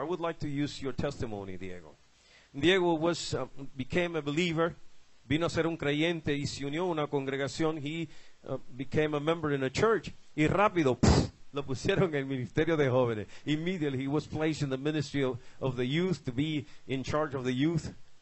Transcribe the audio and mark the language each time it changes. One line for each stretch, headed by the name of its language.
English: I would like to use your testimony, Diego. Diego became a believer,
Spanish: vino a ser un creyente y se unió a una congregación.
English: He became a member in a church.
Spanish: Y rápido, lo pusieron en el ministerio de jóvenes.
English: Immediately, he was placed in the ministry of the youth, to be in charge of the youth.